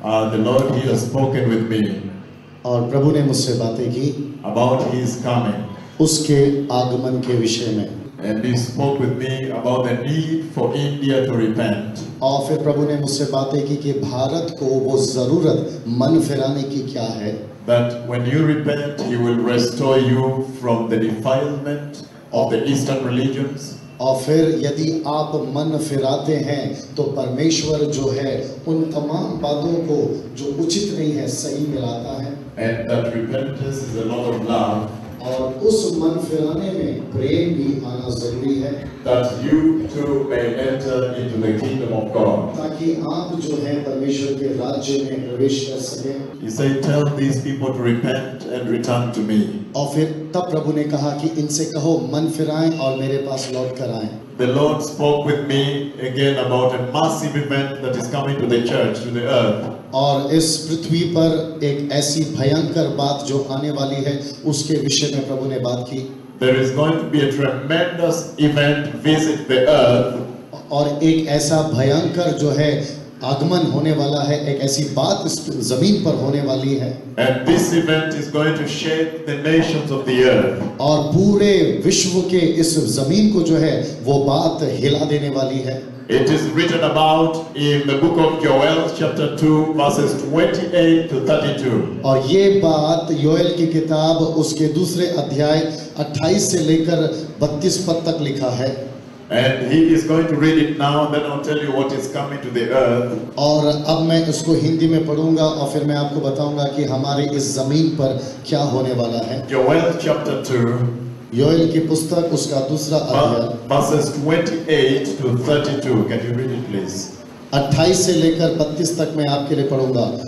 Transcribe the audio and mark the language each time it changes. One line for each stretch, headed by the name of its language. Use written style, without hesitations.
English: The Lord, He has spoken with me.
Hindi: और प्रभु ने मुझसे बातें की.
English: About His coming.
Hindi: उसके आगमन के विषय में.
English: And He spoke with me about the need for India to repent.
Hindi: और फिर प्रभु ने मुझसे बातें की कि भारत को वो जरूरत मन फिराने की क्या है.
English: That when you repent, He will restore you from the defilement of the Eastern religions.
Hindi: और फिर यदि आप मन फिराते हैं तो परमेश्वर जो है उन तमाम बातों को जो उचित नहीं है सही मिलाता है.
English: And that repentance is a lot of love.
Hindi: और उस मन फिराने में प्रेम भी आना जरूरी है.
English: That you too may enter into the kingdom of God.
Hindi: ताकि आप जो है परमेश्वर के राज्य में प्रवेश कर सके.
English: He said, "Tell these people to repent and return to me."
Hindi: और फिर तब प्रभु ने कहा कि इनसे कहो मन फिराएं और मेरे पास लौट कर आएं.
English: The Lord spoke with me again about a massive event that is coming to the church, to the earth.
Hindi: और इस पृथ्वी पर एक ऐसी भयंकर बात जो आने वाली है उसके विषय में प्रभु ने बात की.
English: There is going to be a tremendous event visit the earth.
Hindi: और एक ऐसा भयंकर जो है आगमन होने वाला है एक ऐसी बात इस जमीन पर होने वाली है.
English: And this event is going to shake the nations of the earth.
Hindi: और पूरे विश्व के इस जमीन को जो है वो बात हिला देने वाली है.
English: It is written about in the book of Joel chapter 2 verses 28 to 32.
Hindi: और ये बात योएल की किताब उसके दूसरे अध्याय 28 से लेकर 32 पद तक लिखा है.
English: And he is going to read it now, then I'll tell you what is coming to the earth.
Hindi: और अब मैं उसको हिंदी में पढूंगा और फिर मैं आपको बताऊंगा कि हमारे इस जमीन पर क्या होने वाला है.
English: Joel chapter 2.
Hindi: योएल की पुस्तक उसका दूसरा अध्याय.
English: Verses 28 to 32. Can you read it, please?
Hindi: 28 से लेकर 32 तक मैं आपके लिए पढूंगा.